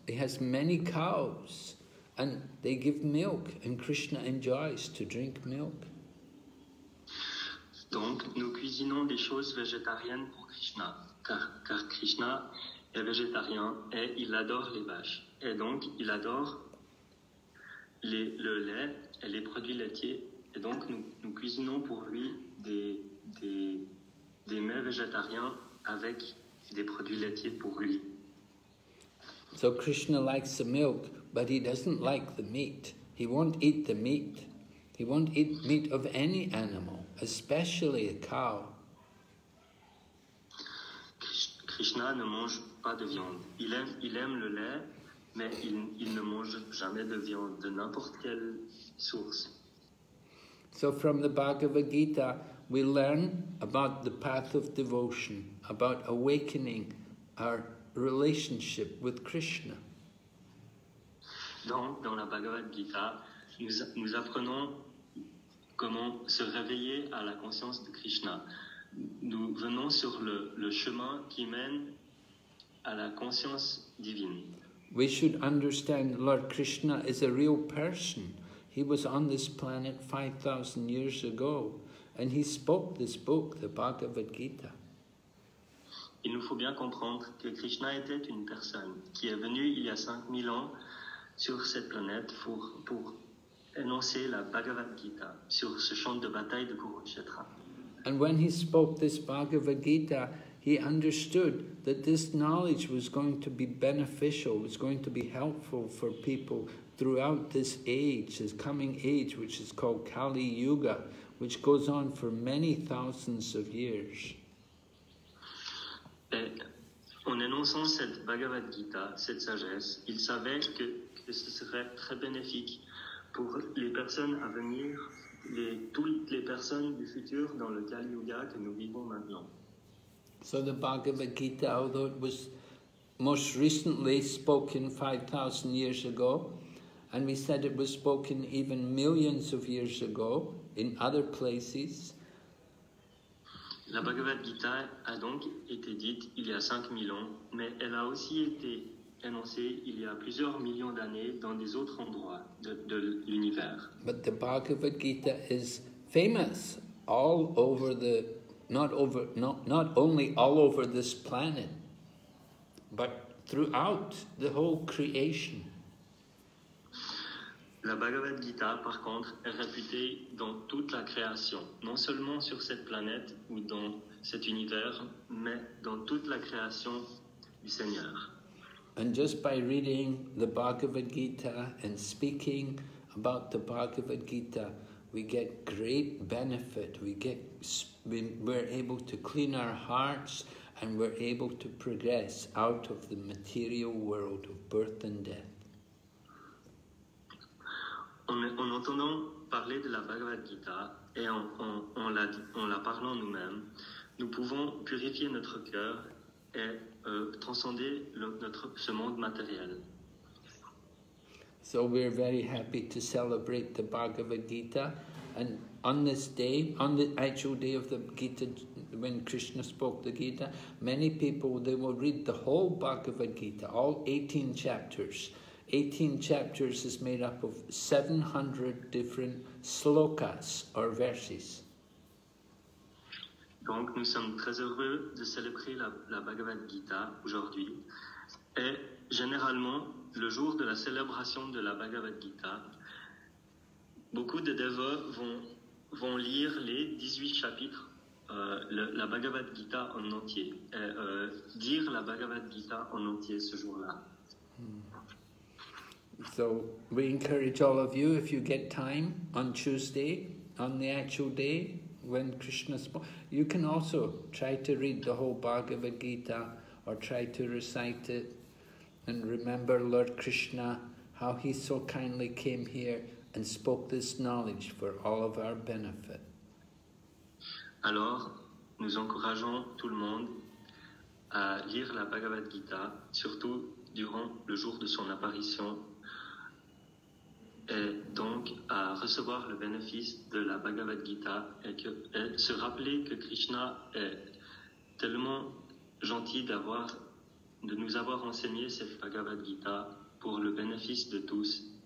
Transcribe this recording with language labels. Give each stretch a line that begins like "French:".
English: He has many cows, and they give milk, and Krishna enjoys to drink milk.
French: Donc, nous cuisinons des choses végétariennes pour Krishna, car Krishna est végétarien et il adore les vaches. Et donc, il adore le lait et les produits laitiers, et donc nous cuisinons pour lui des mets végétariens avec des produits laitiers pour lui.
English: So Krishna likes the milk, but he doesn't like the meat. He won't eat the meat. He won't eat meat of any animal, especially a cow.
French: Krishna ne mange pas de viande. Il aime le lait, mais il ne mange jamais de viande de n'importe quelle source.
English: So from the Bhagavad Gita, we learn about the path of devotion, about awakening our relationship with Krishna.
French: Dans la Bhagavad Gita, nous apprenons comment se réveiller à la conscience de Krishna. Nous venons sur le chemin qui mène à la conscience divine.
English: We should understand Lord Krishna is a real person. He was on this planet 5,000 years ago, and he spoke this book, the Bhagavad Gita.
French: Il nous faut bien comprendre que Krishna était une personne qui est venue il y a 5000 ans sur cette planète pour énoncer la Bhagavad Gita sur ce champ de bataille de Kurukshetra.
English: And when he spoke this Bhagavad Gita, he understood that this knowledge was going to be beneficial, was going to be helpful for people throughout this age, this coming age, which is called Kali Yuga, which goes on for many thousands of years.
French: Et en énonçant cette Bhagavad Gita, cette sagesse, il savait que ce serait très bénéfique pour les personnes à venir, toutes les personnes du futur dans le Kali Yuga que nous vivons maintenant.
English: So the Bhagavad Gita, although it was most recently spoken 5,000 years ago, and we said it was spoken even millions of years ago in other places.
French: La Bhagavad Gita a donc été dite il y a 5000 ans, mais elle a aussi été annoncée il y a plusieurs millions d'années dans des autres endroits de l'univers.
English: But the Bhagavad Gita is famous all over the, not only all over this planet, but throughout the whole creation.
French: La Bhagavad Gita, par contre, est réputée dans toute la création, non seulement sur cette planète ou dans cet univers, mais dans toute la création du Seigneur.
English: And just by reading the Bhagavad Gita and speaking about the Bhagavad Gita, we get great benefit. We're able to clean our hearts and we're able to progress out of the material world of birth and death.
French: En entendant parler de la Bhagavad Gita et en la parlant nous-mêmes, nous pouvons purifier notre cœur et transcender ce monde matériel.
English: So we're very happy to celebrate the Bhagavad Gita, and on this day, on the actual day of the Gita, when Krishna spoke the Gita, many people, they will read the whole Bhagavad Gita, all 18 chapters. 18 chapters is made up of 700 different slokas or verses.
French: Donc nous sommes très heureux de célébrer la Bhagavad Gita aujourd'hui. Et généralement, le jour de la célébration de la Bhagavad Gita, beaucoup de dévots vont lire les 18 chapitres, la Bhagavad Gita en entier, et dire la Bhagavad Gita en entier ce jour-là.
English: So we encourage all of you, if you get time on Tuesday, on the actual day when Krishna spoke, you can also try to read the whole Bhagavad Gita or try to recite it and remember Lord Krishna, how he so kindly came here and spoke this knowledge for all of our benefit.
French: Alors, nous encourageons tout le monde à lire la Bhagavad Gita, surtout durant le jour de son apparition, et donc à recevoir le bénéfice de la Bhagavad Gita et se rappeler que Krishna est tellement gentil de nous avoir enseigné cette Bhagavad Gita pour le bénéfice de tous.